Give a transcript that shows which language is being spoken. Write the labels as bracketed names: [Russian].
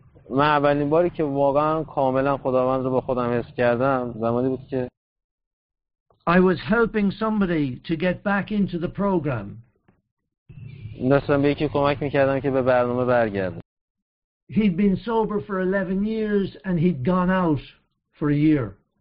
[Persian] من اولین باری که واقعا کاملا خداوند رو با خودم حس کردم زمانی بود که [English] I was helping somebody to get back into the program. [Persian] داشتم به یکی کمک میکردم که به برنامه برگرده. [English] He'd been sober for 11 years and he'd gone out for a year.